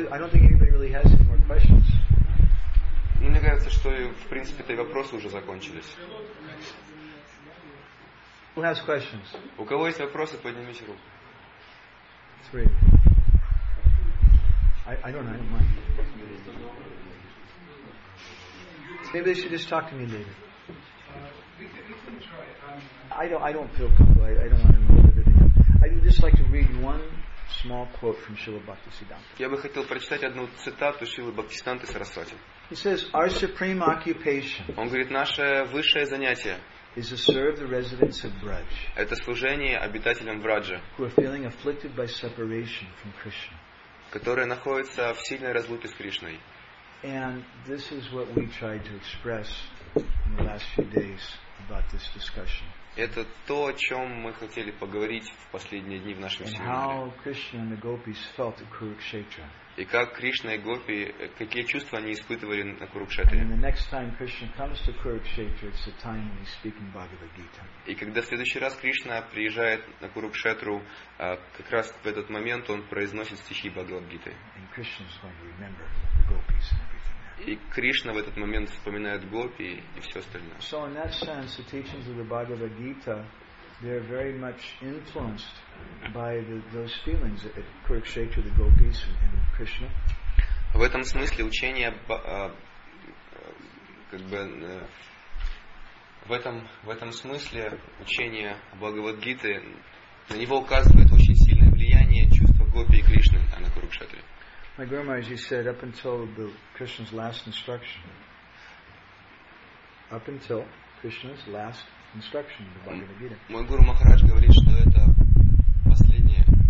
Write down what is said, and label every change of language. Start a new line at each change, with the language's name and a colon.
English: I don't think anybody really has any more questions.
Russian: Ну, мне кажется, что в принципе эти вопросы уже закончились.
English: Who has questions?
Russian: У кого есть вопросы, поднимите руку.
English: Three. I don't mind. Maybe they should just talk to me later. I don't feel comfortable. I don't want to know everything. I would just like to read one small quote from Srila Bhaktisiddhanta.
Russian: Я бы хотел прочитать одну цитату Шрилы Бхактисиддханты Сарасвати.
English: He says, "Our supreme occupation."
Russian: Он говорит, наше высшее занятие.
English: Is to serve the residents of Braj.
Russian: Это служение обитателям Враджа.
English: Who are feeling afflicted by separation from Krishna.
Russian: Которые находятся в сильной разлуке с Кришной.
English: And this is what we tried to express in the last few days about this discussion.
Russian: Это то, о чем мы хотели поговорить в последние дни в нашем семинаре.
English: And how Krishna and the gopis felt at Kurukshetra.
Russian: И как Кришна и гопи, какие чувства они испытывали на Курукшетре.
English: And the next time Krishna comes to Kurukshetra, it's the time when he's speaking Bhagavad Gita.
Russian: И когда в следующий раз Кришна приезжает на Курукшетру, как раз в этот момент он произносит стихи Бхагавад Гиты.
English: And Krishna's going to remember the gopis and everything.
Russian: И Кришна в этот момент вспоминает гопи и все остальное.
English: So in that sense, the teachings of the Bhagavad Gita, they're very much influenced by those feelings at Kurukshetra, the gopis and Krishna.
Russian: В этом смысле учение, как бы, в этом смысле учение Бхагавад Гиты, на него указывает очень сильное влияние чувства гопи и Кришны на Курукшетре.
English: My Guru said, up until the Krishna's last instruction, up until Krishna's last instruction of the Bhagavad Gita.
Russian: Мой Гуру Махарадж говорит, что это последнее.